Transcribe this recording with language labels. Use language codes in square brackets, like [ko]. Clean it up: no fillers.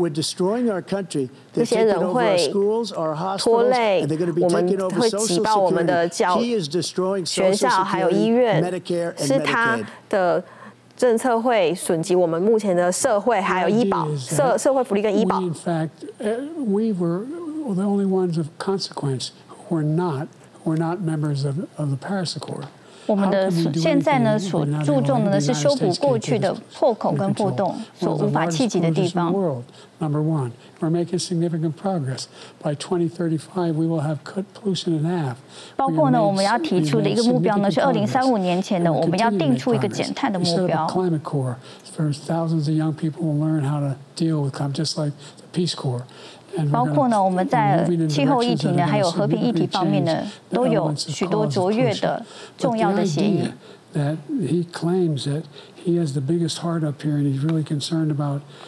[zh] 这些人会拖累我们，会挤爆我们的教学校还有医院，是他的政策会损及我们目前的社会还有医保，社会福利跟医保。 [en] We in fact, we were the only ones of consequence who were not members of the Paris Accord. [zh] 我们的现在呢所注重的是修补过去的破口跟破洞，所无法企及的地方。 [en] Number one, we're making significant progress. By 2035, we will have cut pollution in half. [zh] 包括呢，我们要提出的一个目标呢，是2035年前呢，我们要定出一个减碳的目标。 [en] Set up a climate corps for thousands of young people will learn how to deal with climate, just like the Peace Corps. [zh] And 包括呢，我们在气候议题呢，还有和平议题方面呢，都有许多卓越的重要的协议。 [en] That he claims that he has the biggest heart up here, and he's really concerned about